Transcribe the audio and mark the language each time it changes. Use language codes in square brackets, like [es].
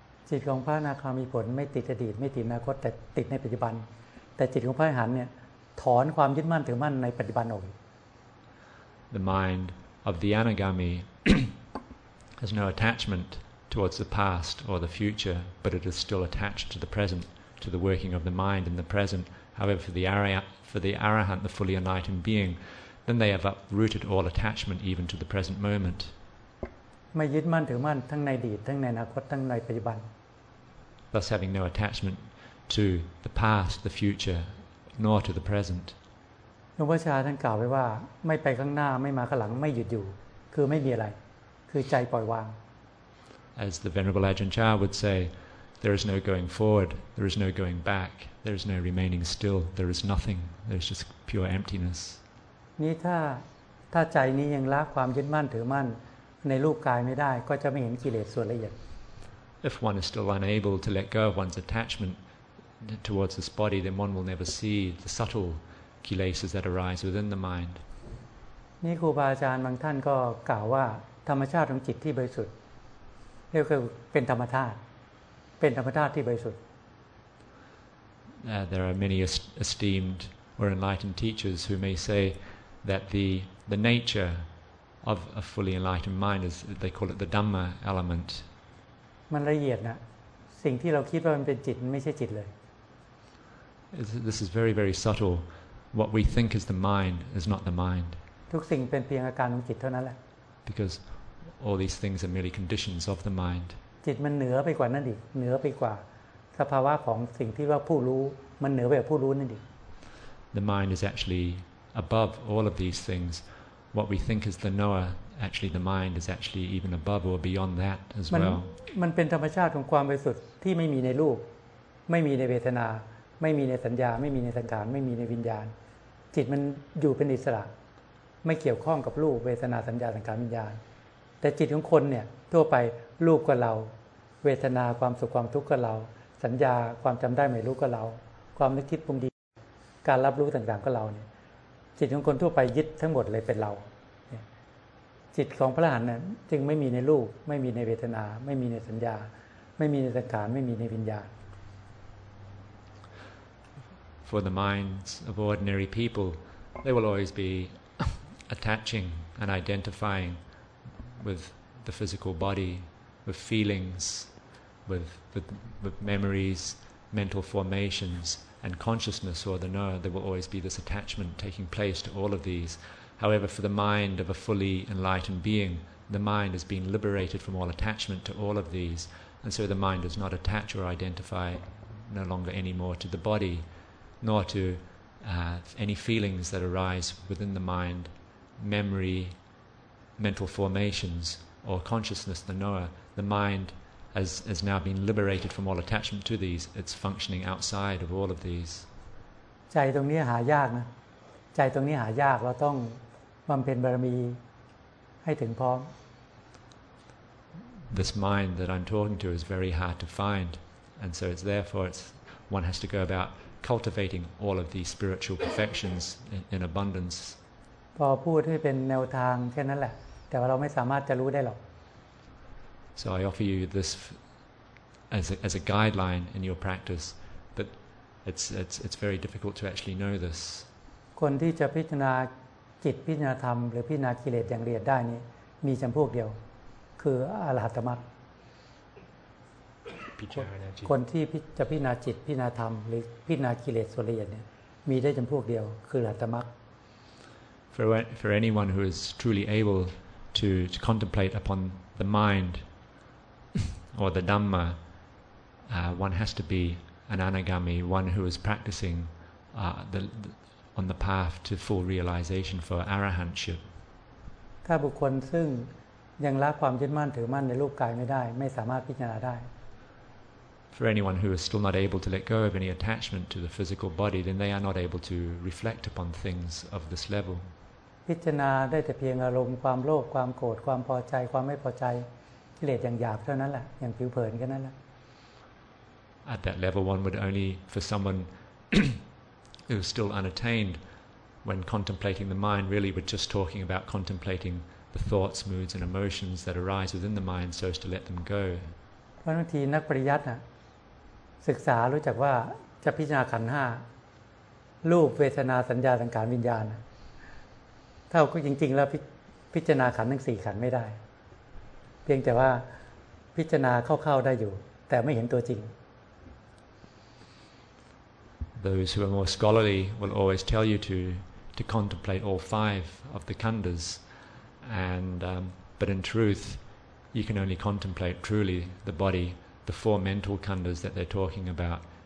[th] จิตของพระอนาคามีผลไม่ติดอดีตไม่ติดอนาคตแต่ติดในปัจจุบันแต่จิตของพระอรหันต์เนี่ยถอนความยึดมั่นถือมั่นในปัจจุบันออก [en] The mind of the Anagami has no attachment towards the past or the future but it is still attached to the present to the working of the mind in the present however for the Arahant the fully enlightened being then they have uprooted all attachment even to the present moment [th] ไม่ยึดมั่นถือมั่นทั้งในอดีตทั้งในอนาคตทั้งในปัจจุบัน [en] thus having no attachment to the past the futureNor to the present. [th] หลวงพ่อชาท่านกล่าวไว้ว่าไม่ไปข้างหน้าไม่มาข้างหลังไม่หยุดอยู่คือไม่มีอะไรคือใจปล่อยวาง [en] As the Venerable Ajahn Chah would say, there is no going forward, there is no going back, there is no remaining still, there is nothing, there is just pure emptiness. [th] นี่ถ้าใจนี้ยังละความยึดมั่นถือมั่นในรูปกายไม่ได้ก็จะไม่เห็นกิเลสส่วนละเอียด [en] If one is still unable to let go of one's attachmentTowards this body, then one will never see the subtle kilesas that arise within the mind. [th] นี่ครูบาอาจารย์บางท่านก็กล่าวว่าธรรมชาติของจิตที่บริสุทธิ์เรียกคือเป็นธรรมธาตุที่บริสุทธิ์ [en] There are many esteemed or enlightened teachers who may say that the nature of a fully enlightened mind is they call it the Dhamma element. [th] มันละเอียดนะสิ่งที่เราคิดว่ามันเป็นจิตไม่ใช่จิตเลย [en] This is very, very subtle. What we think is the mind is not the mind. [th] ทุกสิ่งเป็นเพียงอาการของจิตเท่านั้นแหละ [en] Because all these things are merely conditions of the mind. [th] จิตมันเหนือไปกว่านั่นดิเหนือไปกว่าสภาวะของสิ่งที่ว่าผู้รู้มันเหนือไปกว่าผู้รู้นั่นดิ [en] The mind is actually above all of these things. What we think is the knower, actually the mind is actually even above or beyond that as well. [th] มันเป็นธรรมชาติของความบริสุทธิ์ที่ไม่มีในรูปไม่มีในเวทนาไม่มีในสัญญาไม่มีในสังขารไม่มีในวิญญาณจิตมันอยู่เป็นอิสระ ไม่เกี่ยวข้องกับรูปเวทนาสัญญาสังขารวิญญาณแต่จิตของคนเนี่ยทั่วไปรูปก็เราเวทนาความสุขความทุกข์ก็เราสัญญาความจำได้ไม่รู้ก็เราความนึกคิดปรุงดีการรับรู้ต่างๆก็เราเนี่ยจิตของคนทั่วไปยึดทั้งหมดเลยเป็นเราจิตของพระอรหันต์นั้นจึงไม่มีในรูปไม่มีในเวทนาไม่มีในสัญญาไม่มีในสังขารไม่มีในวิญญาณ [en] For the minds of ordinary people, they will always be attaching and identifying with the physical body, with feelings, with memories, mental formations, and consciousness or the knower. There will always be this attachment taking place to all of these. However, for the mind of a fully enlightened being, the mind has been liberated from all attachment to all of these, and so the mind does not attach or identify no longer anymore to the body. Nor to any feelings that arise within the mind, memory, mental formations, or consciousness, the knower, the mind has now been liberated from all attachment to these. It's functioning outside of all of these. [th] ใจตรงนี้หายากนะใจตรงนี้หายากเราต้องบำเพ็ญบารมีให้ถึงพร้อม [en] This mind that I'm talking to is very hard to find, and so it's therefore it's one has to go aboutcultivating all of these spiritual perfections in abundance [th] พอพูดให้เป็นแนวทางแค่นั้นแหละแต่ว่าเราไม่สามารถจะรู้ได้หรอก [en] So I offer you this as a guideline in your practice but it's very difficult to actually know this [th] คนที่จะพิจารณาจิตพิจารณาธรรมหรือพิจารณากิเลสอย่างละเอียดได้นี้มีจําพวกเดียวคืออรหัตมรรคคนที่จะพิจารณาจิตพิจารณาธรรมหรือพิจารณากิเลสส่วนละเอียดเนี่ยมีได้จำพวกเดียวคืออรหัตมรรค [en] For anyone who is truly able to contemplate upon the mind or the Dhamma one has to be an anagami one who is practicing on the path to full realization for arahantship [th] ถ้าบุคคลซึ่งยังละความยึดมั่นถือมั่นในรูปกายไม่ได้ไม่สามารถพิจารณาได้ [en] For anyone who is still not able to let go of any attachment to the physical body, then they are not able to reflect upon things of this level. [th] พิจารณาได้แต่เพียงอารมณ์ความโลภความโกรธความพอใจความไม่พอใจกิเลสอย่างหยาบเท่านั้นแหละอย่างผิวเผินแค่นั้นแหละ [en] At that level, one would only, for someone who is still unattained, when contemplating the mind, really we're just talking about contemplating the thoughts, moods, and emotions that arise within the mind, so as to let them go. [th] บางทีนักปริยัติน่ะศึกษารู้จักว่าจะพิจารณาขันธ์5รูปเวทนาสัญญาสังขารวิญญาณถ้าก็จริงๆแล้วพิจารณาขันธ์ทั้ง4ขันธ์ไม่ได้เพียงแต่ว่าพิจารณาเข้าๆได้อยู่แต่ไม่เห็นตัวจริง [en] Those who are more scholarly will always tell you to contemplate all 5 of the khandhas and but in truthYou can only contemplate truly the body, the 4 mental khandhas that they're talking about.